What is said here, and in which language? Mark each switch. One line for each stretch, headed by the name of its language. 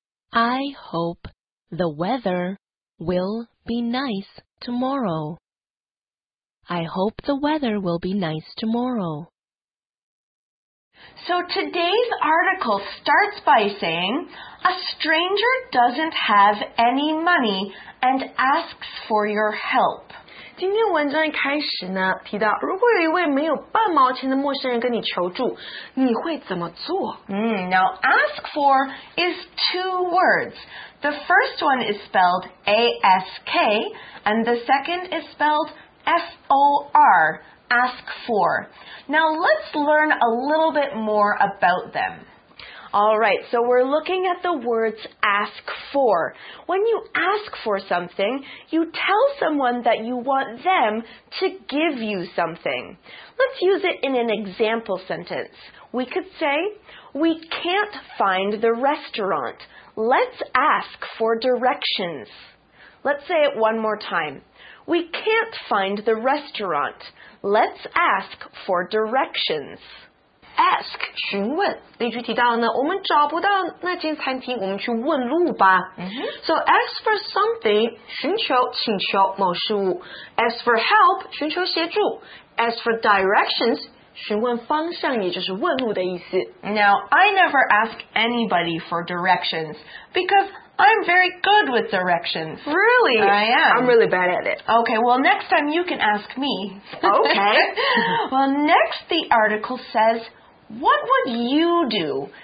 English: I hope the weather will be nice tomorrow. I hope the weather will be nice tomorrow. So today's article starts by saying, a stranger doesn't have any money and asks for your help.
Chinese: 今天文章一开始呢，提到如果有一位没有半毛钱的陌生人跟你求助，你会怎么做？
English: Now, ask for is 2 words. The first one is spelled A-S-K, and the second is spelled F-O-R, ask for. Now, let's learn a little bit more about them. All right, so we're looking at the words ask for. When you ask for something, you tell someone that you want them to give you something. Let's use it in an example sentence. We could say, we can't find the restaurant. Let's ask for directions. Let's say it one more time. We can't find the restaurant. Let's ask for directions.
Chinese: Ask, 询问。例句提到呢，我们找不到那间餐厅，我们去问路吧。
English: So ask for something,
Chinese: 寻求、请求某事物。
English: Ask for help,
Chinese: 寻求协助。
English: Ask for directions,
Chinese: 询问方向也就是问路的意思。
English: Now, I never ask anybody for directions because I'm very good with directions. Really? I am. I'm really bad at it. Okay, well, next time you can ask me. Okay. Well, next the article says, what would you do?